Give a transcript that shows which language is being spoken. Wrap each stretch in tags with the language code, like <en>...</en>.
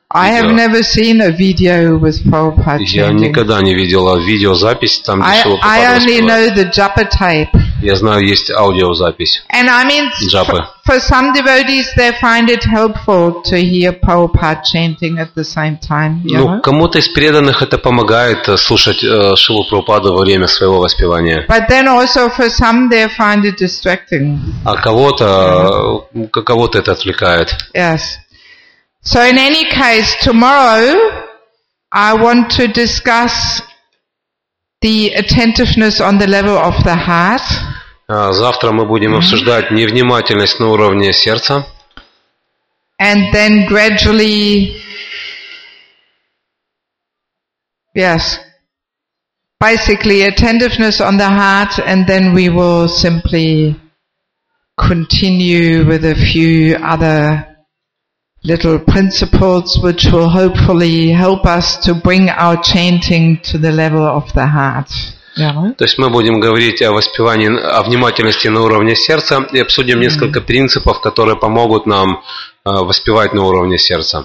<en>I have never seen a video with Prabhupada chanting.</en> <ru>Я никогда не видела видеозапись там, где Шрила Прабхупада спела.</ru> <en>I only know the japa tape.</en> <ru>Я знаю, есть аудиозапись.</ru> <en>And I mean, japa. For some devotees, they find it helpful to hear Prabhupada chanting at the same time.</en> <ru>Ну, кому-то из преданных это помогает слушать Шрилу Прабхупаду во время своего воспевания.</ru> <en>But then also for some, they find it distracting.</en> <ru>А кого-то, кого-то это отвлекает.</ru> <en>Yes. So in any case, tomorrow I want to discuss the attentiveness on the level of the heart.</en> <ru>Завтра мы будем обсуждать невнимательность на уровне сердца.</ru> <en>And then gradually, yes, basically attentiveness on the heart, and then we will simply continue with a few other little principles which will hopefully help us to bring our chanting to the level of the heart.</en> <ru>То есть мы будем говорить о воспевании, о внимательности на уровне сердца и обсудим несколько принципов, которые помогут нам воспевать на уровне сердца.</ru>